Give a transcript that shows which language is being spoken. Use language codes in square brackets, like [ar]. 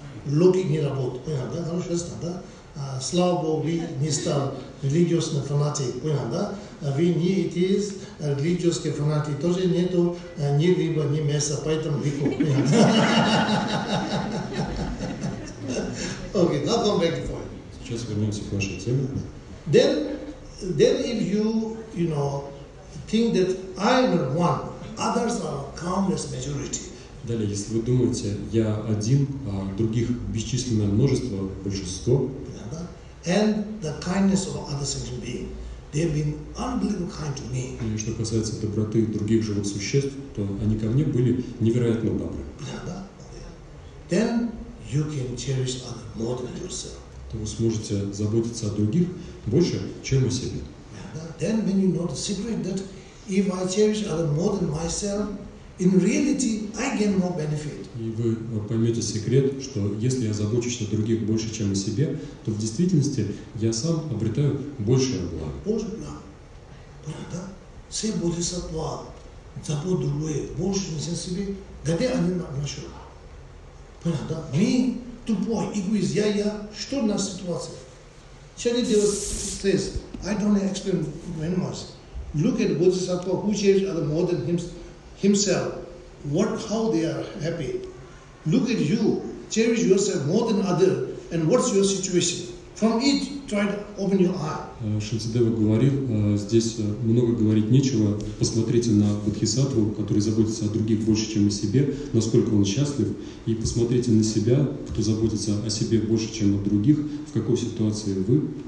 [ru] Логик не работает, понятно, да? Хорошо, ясно, да? Слава Богу, вы не стал религиозным фанатиком, понятно, да? Вы не атеисты, а религиозные фанатики тоже нету ни рыба, ни мяса, поэтому легко, понятно? [en] Окей, now come back to point. [ru] Сейчас вернемся к вашей теме. [en] Then if you know, think that I am one, others are countless majority. [ru] Далее, если вы думаете, я один, а других бесчисленное множество, большинство. Понятно? [en] And the kindness of other sentient beings, they've been unbelievably kind to me. [ru] И что касается доброты других живых существ, то они ко мне были невероятно добры. Понятно? [en] Then you can cherish others more than yourself. [ru] Вы сможете заботиться о других больше, чем о себе. [en] Then when you know the secret that if I cherish other more than myself, in reality I gain more benefit. [ru] И вы поймете секрет, что если я забочусь о других больше, чем о себе, то в действительности я сам обретаю большее благо. Больше благо. Понятно? Все бодхисаттва, забота другое, больше, чем о себе, где они нашли? Понятно? Мы тупой, эгоист, я. Что у нас ситуация? Что они делают здесь? [en] I don't explain very much. Look at Bodhisattva, who cherish other more than himself, what, how they are happy. Look at you, cherish yourself more than other, and what's your situation? From it, try to open your eye. [ru] Шилцедева говорил, здесь много говорить нечего. Посмотрите на Бодхисаттву, который заботится о других больше, чем о себе, насколько он счастлив, и посмотрите на себя, кто заботится о себе больше, чем о других, в какой ситуации вы.